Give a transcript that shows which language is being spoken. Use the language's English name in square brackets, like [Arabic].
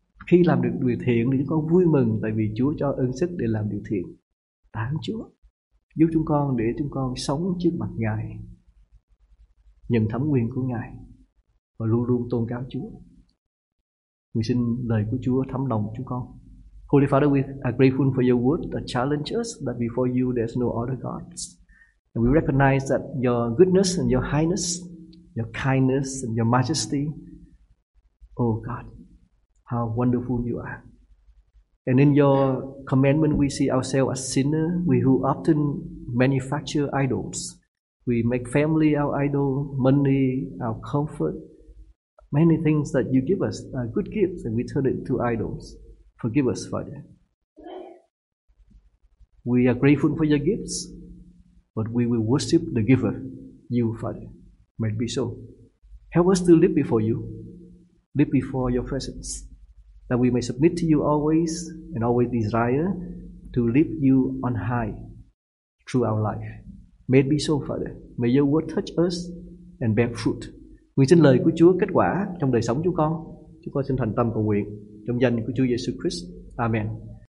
[Vietnamese] Khi làm được điều thiện thì chúng con vui mừng, tại vì Chúa cho ân sức để làm điều thiện. Tạ ơn Chúa giúp chúng con để chúng con sống trước mặt Ngài, nhận thẩm quyền của Ngài và luôn luôn tôn cáo Chúa. Nguyện xin lời của Chúa thấm lòng chúng con. [English] Holy Father, we are grateful for your word that challenges us that before you there's no other gods. And we recognize that your goodness and your highness, your kindness and your majesty, oh God, how wonderful you are. And in your commandment, we see ourselves as sinners, we who often manufacture idols. We make family our idol, money, our comfort, many things that you give us are good gifts, and we turn it into idols. Forgive us, Father. We are grateful for your gifts, but we will worship the giver, you, Father. May it be so. Help us to live before you, live before your presence, that we may submit to you always and always desire to lift you on high through our life. May it be so, Father. May your word touch us and bear fruit. [Vietnamese] Nguyện xin lời của Chúa kết quả trong đời sống chúng con. Chúng con xin thành tâm cầu nguyện trong danh của Chúa Giêsu Christ. Amen.